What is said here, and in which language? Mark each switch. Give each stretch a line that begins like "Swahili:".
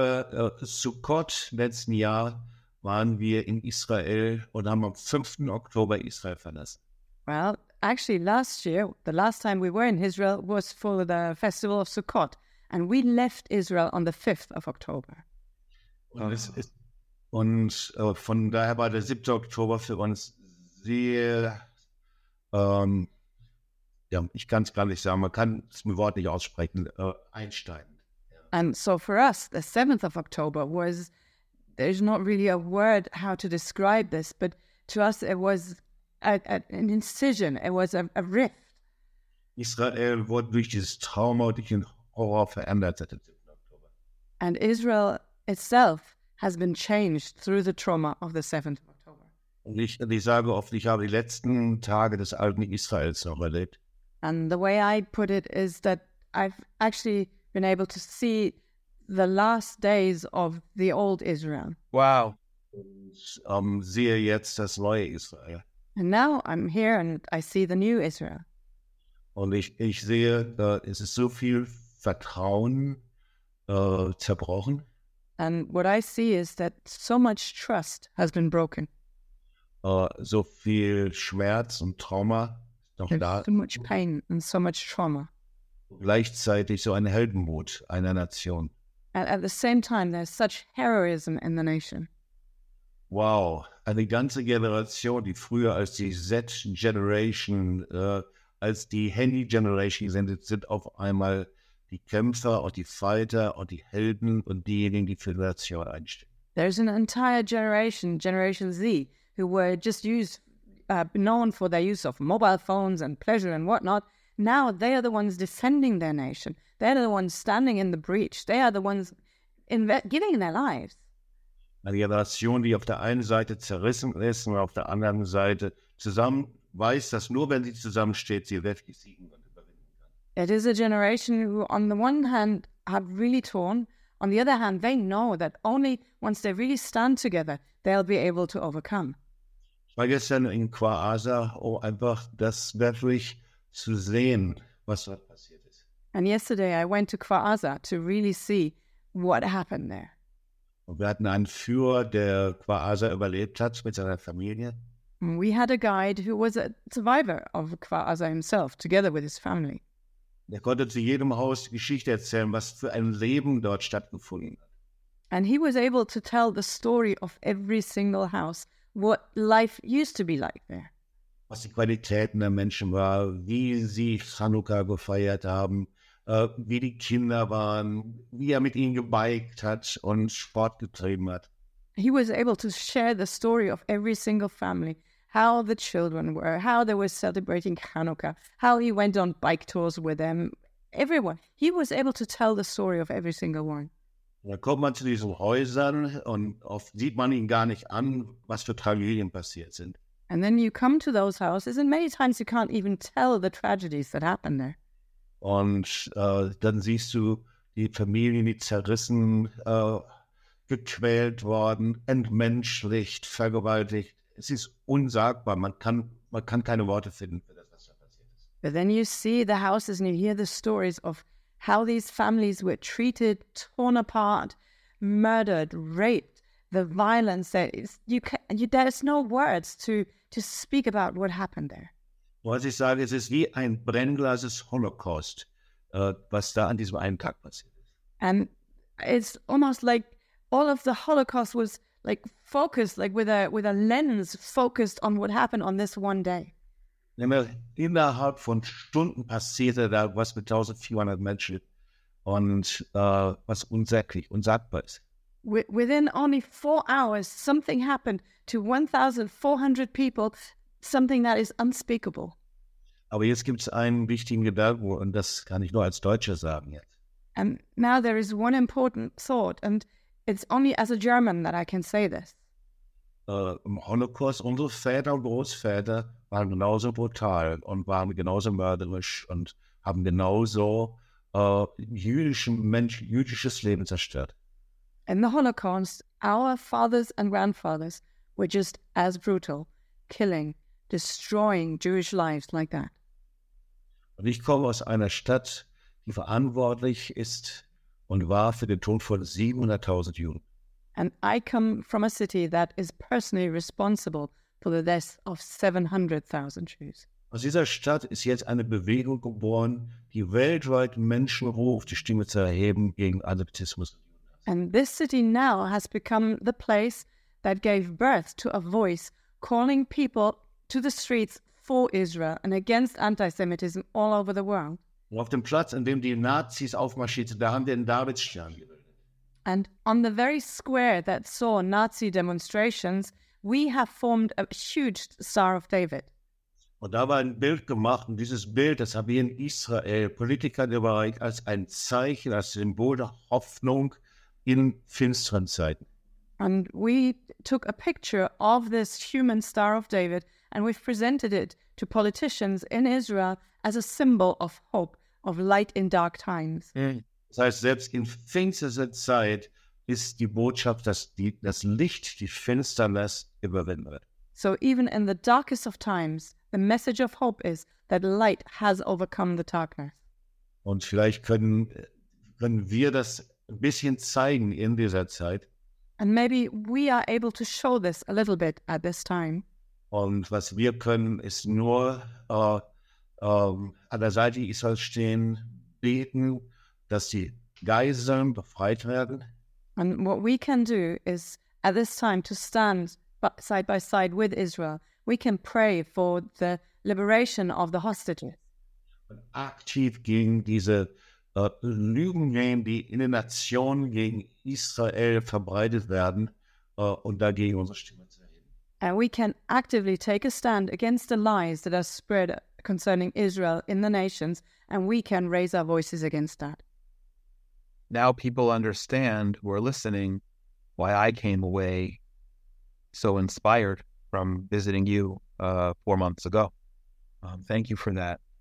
German: Wir waren über Sukkot letzten Jahr, waren wir in Israel und haben am 5. Oktober Israel verlassen.
English: Well, actually, last year, the last time we were in Israel was for the festival of Sukkot. And we left Israel on the 5th of October.
German: Von daher war der 7. Oktober für uns sehr, ich kann es gar nicht sagen, man kann es mit Wort nicht aussprechen, einsteigen.
English: And so for us, the 7th of October was, there's not really a word how to describe this, but to us it was an incision, it was a rift.
German: Israel wurde durch dieses Trauma, durch den Horror verändert seit dem 7. Oktober.
English: And Israel itself has been changed through the trauma of the 7th of October.
German: Und ich sage oft, ich habe die letzten Tage des alten Israels noch erlebt.
English: And the way I put it is that I've actually been able to see the last days of the old Israel. Wow.
German: Sehe jetzt das neue Israel.
English: And now I'm here and I see the new Israel.
German: Und ich sehe, da ist so viel Vertrauen zerbrochen.
English: And what I see is that so much trust has been broken.
German: So viel Schmerz und Trauma.
English: So much pain and so much trauma.
German: Gleichzeitig so ein Heldenmut einer Nation.
English: And at the same time, there's such heroism in the nation.
German: Wow, eine ganze Generation, die früher als die Z-Generation, als die Handy-Generation gesendet sind, auf einmal die Kämpfer und die Fighter und die Helden und diejenigen, die für die Nation einstehen.
English: There's an entire generation, Generation Z, who were just used. Known for their use of mobile phones and pleasure and whatnot, now they are the ones defending their nation. They are the ones standing in the breach. They are the ones giving their lives.
German: Eine Generation, die auf der einen Seite zerrissen ist und auf der anderen Seite zusammen weiß, dass nur wenn sie zusammensteht, sie wirklich siegen und überwinden kann.
English: It is a generation who, on the one hand, have really torn. On the other hand, they know that only once they really stand together, they'll be able to overcome.
German: Ich war gestern in Quaza, um einfach das wirklich zu sehen, was dort passiert ist.
English: And yesterday I went to Quaza to really see what happened there.
German: Und wir hatten einen Führer, der Quaza überlebt hat mit seiner Familie.
English: We had a guide who was a survivor of Quaza himself, together with his family.
German: Der konnte zu jedem Haus die Geschichte erzählen, was für ein Leben dort stattgefunden hat.
English: And he was able to tell the story of every single house, what life used to be like there.
German: Was die Qualitäten der Menschen war, wie sie Chanukkah gefeiert haben, wie die Kinder waren, wie mit ihnen gebiked hat und Sport getrieben hat.
English: He was able to share the story of every single family, how the children were, how they were celebrating Chanukkah, how he went on bike tours with them, everyone. He was able to tell the story of every single one.
German: Da kommt man zu diesen Häusern und oft sieht man ihnen gar nicht an, was für Tragödien passiert sind.
English: And then you come to those houses and many times you can't even tell the tragedies that happened there.
German: Und dann siehst du die Familien, die zerrissen gequält worden, entmenschlicht, vergewaltigt. Es ist unsagbar. Man kann keine Worte finden für das, was da passiert ist.
English: But then you see the houses and you hear the stories of how these families were treated, torn apart, murdered, raped, the violence. There's no words to speak about what happened there.
German: Was ich sage, es ist wie ein Brennglas des Holocaust, was da an diesem einen Tag passiert ist.
English: And it's almost like all of the Holocaust was like focused, like with a lens focused on what happened on this one day.
German: Innerhalb von Stunden passierte da was mit 1400 Menschen und was unsäglich, unsagbar ist.
English: Within only 4 hours, something happened to 1,400 people, something that is unspeakable.
German: Aber jetzt gibt es einen wichtigen Gedanken, und das kann ich nur als Deutscher sagen jetzt.
English: And now there is one important thought, and it's only as a German that I can say this.
German: Im Holocaust, unsere Väter und Großväter waren genauso brutal und waren genauso mörderisch und haben genauso jüdisches Leben zerstört.
English: In the Holocaust, our fathers and grandfathers were just as brutal, killing, destroying Jewish lives like that.
German: Und ich komme aus einer Stadt, die verantwortlich ist und war für den Tod von 700.000 Juden.
English: And I come from a city that is personally responsible for the death of 700,000 Jews.
German: Aus dieser Stadt ist jetzt eine Bewegung geboren, die weltweit Menschen ruft, die Stimme zu erheben gegen Antisemitismus.
English: And this city now has become the place that gave birth to a voice calling people to the streets for Israel and against anti-Semitism all over the world.
German: Und auf dem Platz, an dem die Nazis aufmarschierten, da haben wir den Davidstern.
English: And on the very square that saw Nazi demonstrations, we have formed a huge Star of David.
German: Und da war ein Bild gemacht, und dieses Bild, das haben wir in Israel, Politiker überreicht, als ein Zeichen, als Symbol der Hoffnung in finsteren Zeiten.
English: And we took a picture of this human Star of David, and we've presented it to politicians in Israel as a symbol of hope, of light in dark times. Mm.
German: Das heißt, selbst in finsterster Zeit ist die Botschaft, dass das Licht die Finsternis überwinden wird.
English: So even in the darkest of times, the message of hope is that light has overcome the darkness.
German: Und vielleicht können wir das ein bisschen zeigen in dieser Zeit.
English: And maybe we are able to show this a little bit at this time.
German: Und was wir können, ist nur an der Seite Israels stehen, beten, dass die Geiseln befreit werden.
English: And what we can do is, at this time, to stand side by side with Israel. We can pray for the liberation of the hostages.
German: Und aktiv gegen diese Lügen nehmen, die in den Nationen gegen Israel verbreitet werden, und dagegen unsere Stimme zu erheben.
English: And we can actively take a stand against the lies that are spread concerning Israel in the nations, and we can raise our voices against that. Now people understand, who are listening, why I came away so inspired from visiting you 4 months ago. Thank you for that.